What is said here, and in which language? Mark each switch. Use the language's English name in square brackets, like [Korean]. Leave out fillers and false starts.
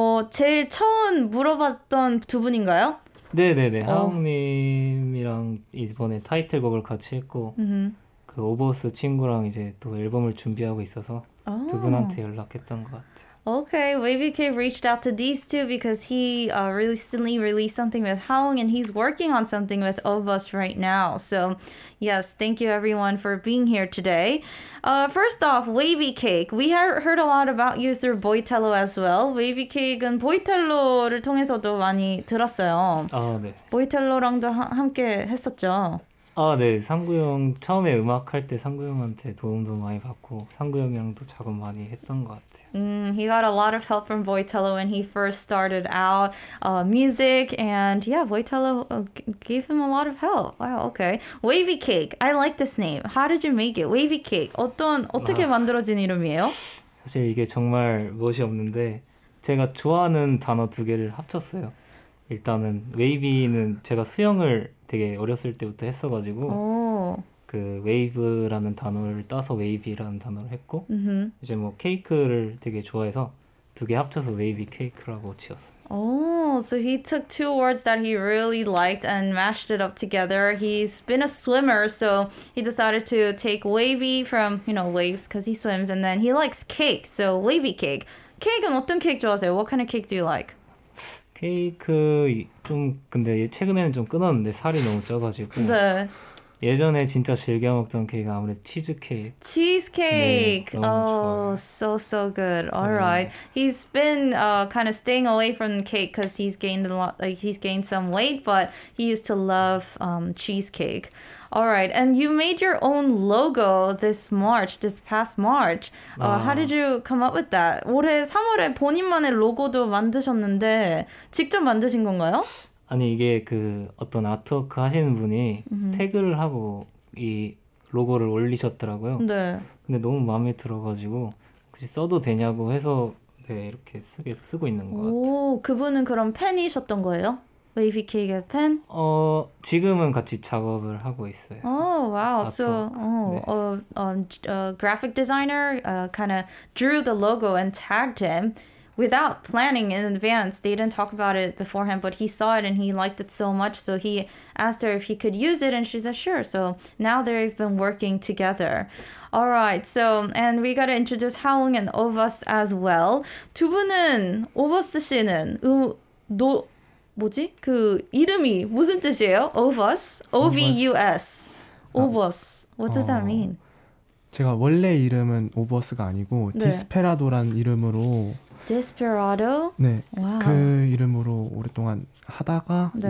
[Korean] 제일 처음 물어봤던 두 분인가요? 네네네. 하웅님이랑 이번에 타이틀곡을 같이 했고 그 오버스 친구랑 이제 또 앨범을 준비하고 있어서 두 분한테 연락했던 것 같아요. [English] Okay, WavyK reached out to these two because he recently released something with Haung and he's working on something with Ovas right now. So, yes, thank you everyone for being here today. First off, WavyK, we heard a lot about you through Boitello as well. [Korean] WavyK은 Boitello를 통해서도 많이 들었어요. 네. Boitello랑도 함께 했었죠. 네. 상구 형 처음에 음악할 때 상구 형한테 도움도 많이 받고 상구 형이랑도 작업 많이 했던 것 같아요. [English] He got a lot of help from Boitello when he first started out music. And yeah, Boitello gave him a lot of help. Wow, okay. Wavy Cake. I like this name. How did you make it? Wavy Cake. [Korean] 어떻게 만들어진 이름이에요? 사실 이게 정말 멋이 없는데 제가 좋아하는 단어 두 개를 합쳤어요. 일단은 웨이비는 제가 수영을 되게 어렸을 때부터 했어가지고 그 웨이브라는 단어를 따서 웨이비라는 단어를 했고 이제 뭐 케이크를 되게 좋아해서 두 개 합쳐서 웨이비 케이크라고 지었어요. [English] So he took two words that he really liked and mashed it up together. He's been a swimmer, so he decided to take wavy from, you know, waves because he swims, and then he likes cake, so wavy cake. [Korean] 케이크는 어떤 케이크 좋아하세요? [English] What kind of cake do you like? [Korean] 케이크 좀 근데 최근에는 좀 끊었는데 살이 너무 쪄가지고 네. 예전에 진짜 즐겨 먹던 케이크 아무래도 치즈케이크. 치즈케이크. 네, [English] so good. Alright. [Korean] 네. [English] He's been kind of staying away from cake because he's gained a lot. Like he's gained some weight, but he used to love cheesecake. Alright. And you made your own logo this past March. How did you come up with that? [Korean] 올해 3월에 본인만의 로고도 만드셨는데 직접 만드신 건가요? 아니 이게 그 어떤 아트워크 하시는 분이 태그를 하고 이 로고를 올리셨더라고요. 네. 근데 너무 마음에 들어가지고 혹시 써도 되냐고 해서 네, 이렇게 쓰고 있는 것 같아요. 그분은 그럼 팬이셨던 거예요? [English] Wavy Cake and Pen? [Korean] 어, 지금은 같이 작업을 하고 있어요. [English] Oh, wow. Art so, oh, 네. Graphic designer kind of drew the logo and tagged him without planning in advance. They didn't talk about it beforehand, but he saw it and he liked it so much. So he asked her if he could use it and she said, sure. So now they've been working together. All right. So, and we got to introduce Haoyoung and Ovas as well. [Korean] 두 분은, Ovas 씨는, 너... 뭐지? 그 이름이 무슨 뜻이에요? [English] Ovus? O-V-U-S. Ovus. 아, What does that mean? [Korean] 제가 원래 이름은 Ovus가 아니고 네. Desperado라는 이름으로 Desperado? 네. Wow. 그 이름으로 오랫동안 하다가 네.